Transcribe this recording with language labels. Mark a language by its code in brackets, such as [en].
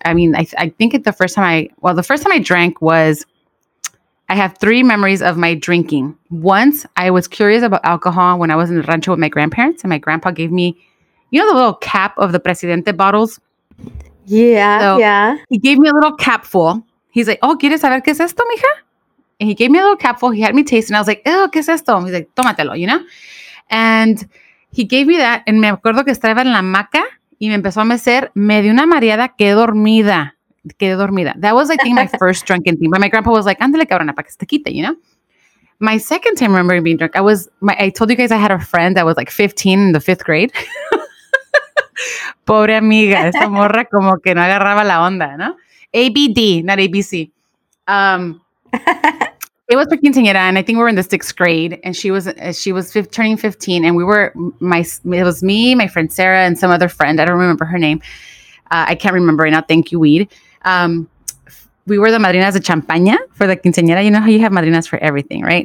[en] I mean, I think the first time I drank was... I have three memories of my drinking. Once, I was curious about alcohol when I was in the rancho with my grandparents, and my grandpa gave me, you know, the little cap of the Presidente bottles? Yeah, so yeah. He gave me a little cap full. He's like, "Oh, [es] ¿quieres saber qué es esto, mija?" [en] And he gave me a little cap full. He had me taste, and I was like, "Oh, [es] ¿qué es esto?" [en] He's like, [es] "Tómatelo," [en] you know? And he gave me that, and [es] me acuerdo que estaba en la maca, y me empezó a mecer, me dio una mareada, quedé dormida. [en] That was, I think, my first drunken thing. But my grandpa was like, [es] "Ándale, cabrona, para que se te quite," [en] you know? My second time remembering being drunk, I told you guys I had a friend that was like 15 in the fifth grade. [es] Pobre amiga, esa morra como que no agarraba la onda, ¿no? [en] ABD, not ABC. It was for quinceañera, and I think we were in the sixth grade, and she was turning 15, and it was me, my friend Sarah, and some other friend. I don't remember her name. I can't remember right now. Thank you, weed. We were the madrinas de champaña for the quinceañera. You know how you have madrinas for everything, right?